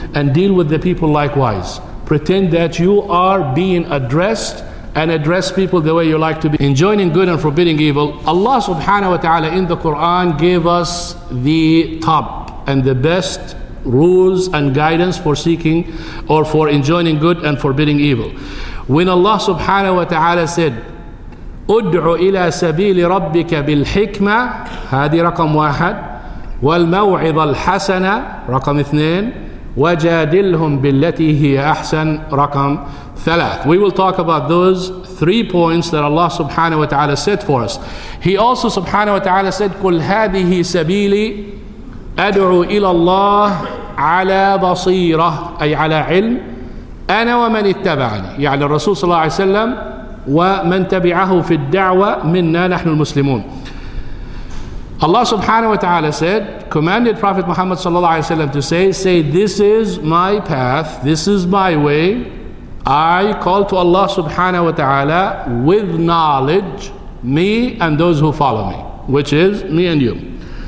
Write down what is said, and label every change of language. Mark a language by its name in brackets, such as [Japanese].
[English] And deal with the people likewise. Pretend that you are being addressed and address people the way you like to be. Enjoining good and forbidding evil. Allah subhanahu wa ta'ala in the Quran gave us the top and the best rules and guidance for seeking or for enjoining good and forbidding evil. When Allah subhanahu wa ta'ala said, [Arabic] ادعو إلى سبيل ربك بالحكمة هذه رقم واحد والموعظة الحسنة رقم اثنين وجادلهم بالتي هي أحسن رقم ثلاث. [English] We will talk about those three points that Allah subhanahu wa ta'ala said for us. He also subhanahu wa ta'ala said, [Arabic] قل هذه سبيلي أدعو إلى الله على بصيرة أي على علم أنا ومن اتبعني يعني الرسول صلى الله عليه وسلم ومن تبعه في الدعوة منا نحن المسلمون. [English] Allah subhanahu wa ta'ala said, commanded Prophet Muhammad sallallahu alayhi wa sallam to say, this is my path, this is my way. I call to Allah subhanahu wa ta'ala with knowledge, me and those who follow me, which is me and you.